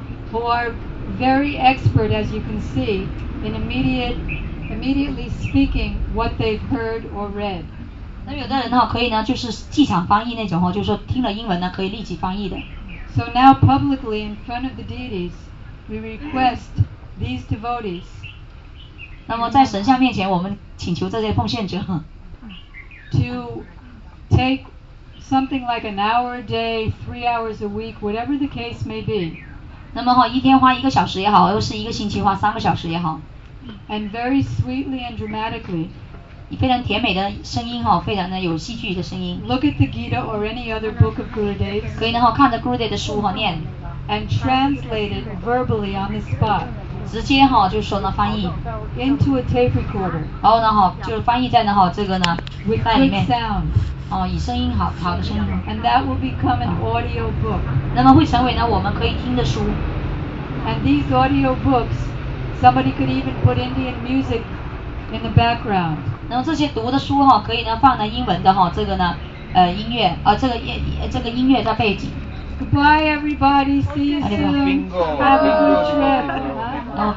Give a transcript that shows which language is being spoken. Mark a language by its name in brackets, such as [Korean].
[English] Who are very expert, as you can see, in immediately speaking what they've heard or read. [Chinese] 那有的人呢可以呢就是即场翻译那种，就是说听了英文呢可以立即翻译的。 [English] So now publicly in front of the deities, we request these devotees. [Chinese] 那么在神像面前，我们请求这些奉献者 [English] to take something like an hour a day, 3 hours a week, whatever the case may be. [Chinese] 那么一天花一个小时也好，又是一个星期花三个小时也好。 [English] And very sweetly and dramatically. [Chinese] 非常甜美的声音，非常的有戏剧的声音。 [English] Look at the Gita or any other book of Gurudev. [Chinese] 可以呢，看着 Gurudev 的书念。 [English] And translated verbally on the spot. [Chinese] 直接就说呢翻译。 [English] Into a tape recorder. [Chinese] 然后呢就是翻译在呢这个呢 [English] With [Chinese] 带里面。 [English] With good sound. [Chinese] 以声音好的声音。 [English] And that will become an audio book. [Chinese] 那么会成为呢我们可以听的书。 [English] And these audio books, somebody could even put Indian music in the background. [Chinese] 那么这些读的书哈，可以呢放呢英文的哈，这个呢，音乐啊，这个音乐在背景。 [English] Goodbye, everybody. See you soon. Have a good trip.